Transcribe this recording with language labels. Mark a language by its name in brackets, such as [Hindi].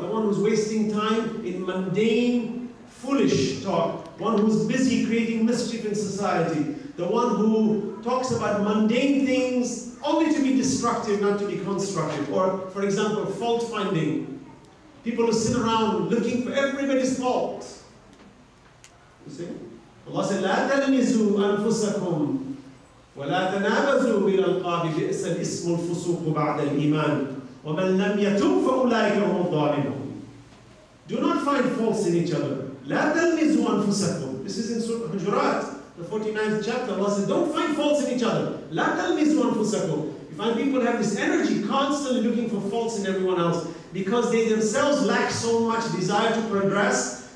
[English] The one who's wasting time in mundane, foolish talk. One who's busy creating mischief in society. The one who talks about mundane things only to be destructive, not to be constructive. Or, for example, fault finding. People who sit around looking for everybody's fault. You see? Allah said, [Arabic] لَا تَلْمِزُوا أَنفُسَكُمْ وَلَا تَنَابَزُوا مِنَ الْقَابِ بِئْسَ الْإِسْمُ الْفُسُوقُ بَعْدَ الْإِيمَانِ وَمَنْ لَمْ يَتُوبْ فَأُولَٰئِكَ هُمُ الظَّالِمُونَ. [English] Do not find faults in each other. [Arabic] لَا تَلْمِزُوا أَنفُسَكُمْ. [English] This is in Surah Hujurat, the 49th chapter. Allah said, don't find faults in each other. [Arabic] لَا تَلْمِزُوا أَنفُسَكُمْ. [English] You find people have this energy constantly looking for faults in everyone else because they themselves lack so much desire to progress.